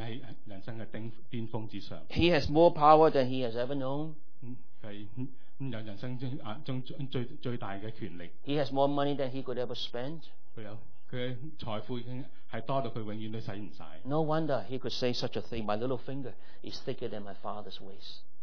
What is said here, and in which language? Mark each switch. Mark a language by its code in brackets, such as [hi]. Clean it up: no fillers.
[zh] 他已经在人生的巅峰之上。 [en] He has more power than he has ever known. [zh] 他有人生中最大的权力。 [en] He has more money than he could ever spend. [zh] 他的财富已经是多到他永远都使不完。 [en] No wonder he could say such a thing. My little finger is thicker than my father's waist.